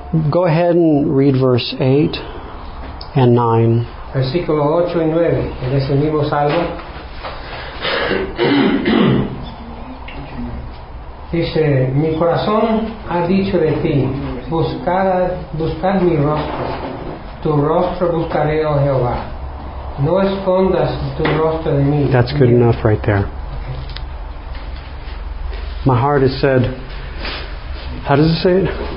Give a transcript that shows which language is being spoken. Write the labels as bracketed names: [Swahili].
[English] Go ahead and read verse 8 and 9. [Spanish] Versículo 8 y 9, en ese mismo salmo. Dice, mi corazón ha dicho de ti, buscad mi rostro. Tu rostro buscaré, oh Jehová. No escondas tu rostro de mí. [English] That's good enough right there. My heart has said, how does it say it?